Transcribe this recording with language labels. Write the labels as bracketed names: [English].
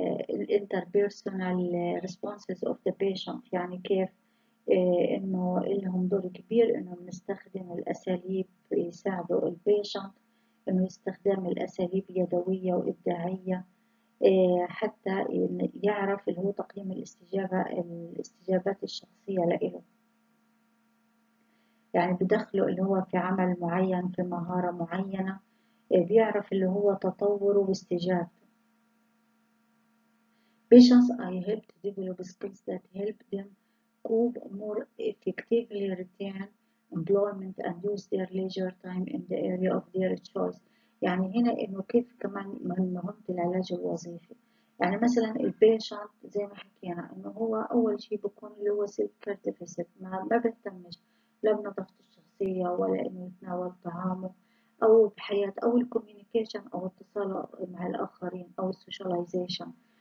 [English] الانتربيرسونال responses of the patient, [Arabic] يعني كيف انه لهم دور كبير انهم نستخدم الاساليب يساعدوا البيشنت، انه يستخدم الاساليب يدويه وابداعيه حتى يعرف اللي هو تقييم الاستجابات الشخصيه لإله، يعني بدخله اللي هو في عمل معين في مهارة معينة، بيعرف اللي هو تطوره واستجابته. [English] Patients I help to develop skills that help them cope more effectively, retain employment and use their leisure time in the area of their choice. [Arabic] يعني هنا انه كيف كمان من مهمة العلاج الوظيفي، يعني مثلا البيشنت زي ما حكينا انه هو اول شيء بكون اللي هو سيلف كير ديفيسيت، ما بيهتمش لا بنظافته الشخصية ولا إنه يتناول طعامه أو بحياة أو الكوميونيكيشن أو اتصاله مع الآخرين أو السوشياليزيشن.